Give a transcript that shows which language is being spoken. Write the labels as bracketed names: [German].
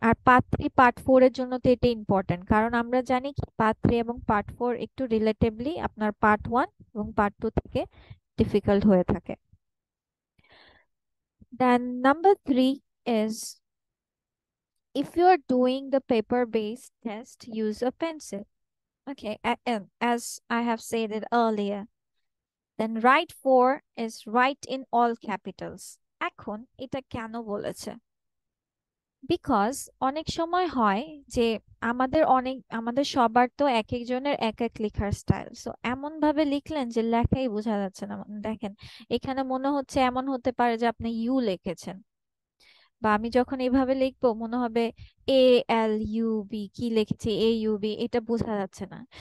[Bangla] আর part 3 part 4 এর জন্য তো এটা ইম্পর্টেন্ট, কারণ আমরা জানি কি পার্ট 3 এবং পার্ট 4 একটু রিলেটিভলি আপনার পার্ট 1 এবং পার্ট 2 থেকে ডিফিকাল্ট হয়ে থাকে। [English] Then number 3 is, if you are doing the paper based test, use a pencil. Okay, as I have said it earlier, then write 4 is write in all capitals. [Bangla] এখন এটা কেন বলেছে? Because অনেক সময় হয় যে আমাদের অনেক আমাদের সবার তো এক একজনের এক এক লেখার স্টাইল, সো এমন ভাবে লিখলেন যে লেখাই বোঝা যাচ্ছে না। দেখেন এখানে মনে হচ্ছে, এমন হতে পারে যে আপনি ইউ লিখেছেন, বা আমি যখন এইভাবে লিখবো মনে হবে ALUB কি লিখেছে, AUB, এটা বোঝা যাচ্ছে না।